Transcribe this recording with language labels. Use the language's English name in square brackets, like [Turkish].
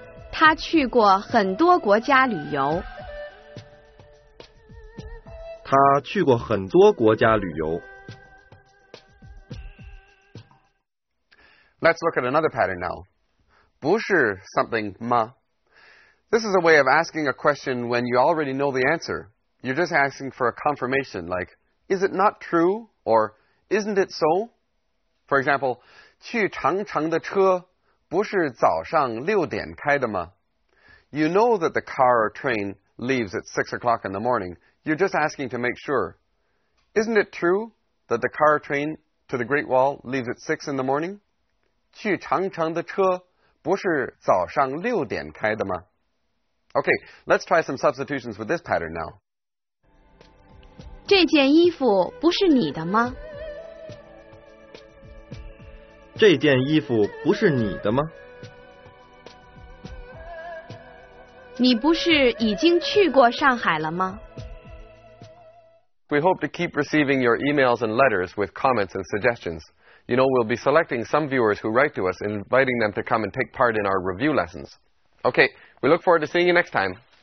[Chinese] 他去过很多国家旅游。他去过很多国家旅游。 [English] Let's look at another pattern now. [Chinese] 不是 [English] something [Chinese] 吗? [English] This is a way of asking a question when you already know the answer. You're just asking for a confirmation, like, is it not true? Or, isn't it so? For example, [Chinese] 去长城的车不是早上六点开的吗? [English] You know that the car or train leaves at 6 o'clock in the morning. You're just asking to make sure. Isn't it true that the car or train to the Great Wall leaves at 6 in the morning? [Chinese] 去长城的车不是早上六点开的吗? [English] Okay, let's try some substitutions with this pattern now. [Chinese] 这件衣服不是你的吗? 这件衣服不是你的吗? 你不是已经去过上海了吗? [English] We hope to keep receiving your emails and letters with comments and suggestions. You know, we'll be selecting some viewers who write to us and inviting them to come and take part in our review lessons. Okay, we look forward to seeing you next time.